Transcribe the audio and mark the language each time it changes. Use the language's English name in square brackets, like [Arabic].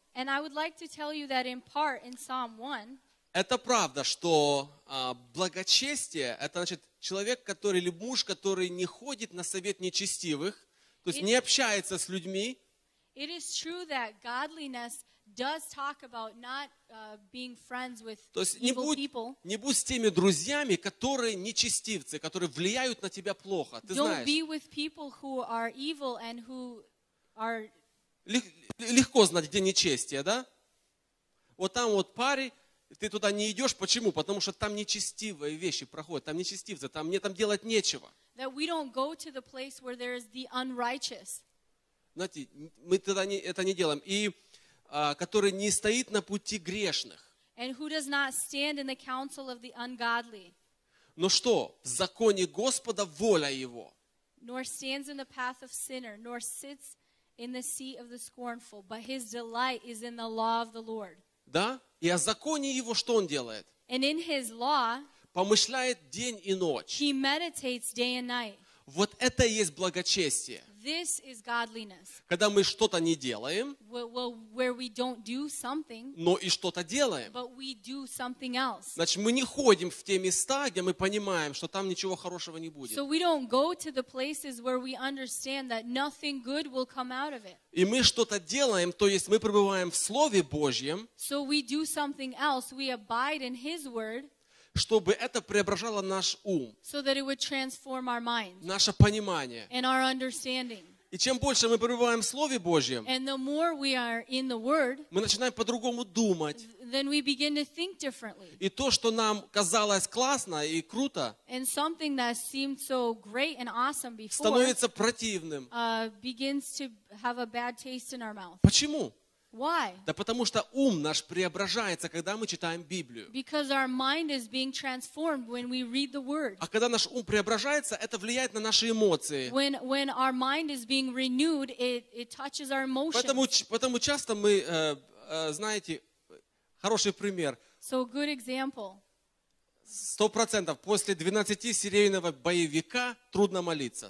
[English] And I would like to tell you that in part in Psalm 1. [Russian] Это правда, что благочестие, это значит человек, который, или муж, который не ходит на совет нечестивых, то есть не общается с людьми. [English] It is true that godliness does talk about not being friends with [Russian] То есть [English] evil [Russian] не будь, [English] people. [Russian] Не будь с теми друзьями, которые нечестивцы, которые влияют на тебя плохо. Ты [English] Don't [Russian] знаешь. [English] Be with people who are evil and who are [Russian] Легко знать, где нечестие, да? Вот там вот пари, ты туда не идешь. Почему? Потому что там нечестивые вещи проходят, там нечестивцы, там мне там делать нечего. [English] That we don't go to the place where there is the unrighteous. [Russian] Знаете, мы тогда это не делаем. И который не стоит на пути грешных. [English] And who does not stand in the counsel of the ungodly. [Russian] Но что? В законе Господа воля его. [English] Nor stands in the path of sinner, nor sits in the seat of the scornful, but his delight is in the law of the Lord. [Russian] Да? И о законе его что он делает? [English] And in his law, [Russian] помышляет день и ночь. [English] He meditates day and night. [Russian] Вот это и есть благочестие. [English] This is godliness. [Russian] Когда мы что-то не делаем, [English] well, where we don't do something, [Russian] но и что-то делаем, [English] but we do something else. [Russian] Значит, мы не ходим в те места, где мы понимаем, что там ничего хорошего не будет. [English] So we don't go to the places where we understand that nothing good will come out of it. [Russian] И мы что-то делаем, то есть мы пребываем в Слове Божьем, [English] so we do something else. We abide in His Word. [Russian] Чтобы это преображало наш ум, [English] so that it would transform our minds, [Russian] наше понимание, [English] and our understanding. [Russian] И чем больше мы пребываем в Слове Божьем, [English] and the more we are in the Word, [Russian] мы начинаем по-другому думать, [English] then we begin to think differently. [Russian] И то, что нам казалось классно и круто, [English] and something that seemed so great and awesome before, [Russian] становится противным, [English] begins to have a bad taste in our mouth. [Russian] Почему? [English] Why? [Russian] Да потому что ум наш преображается, когда мы читаем Библию. [English] Because our mind is being transformed when we read the Word. [Russian] А когда наш ум преображается, это влияет на наши эмоции. [English] When our mind is being renewed, it touches our emotions. [Russian] Потому часто мы, знаете, хороший пример. [English] So a good example. [Russian] 100% после 12-серийного боевика трудно молиться.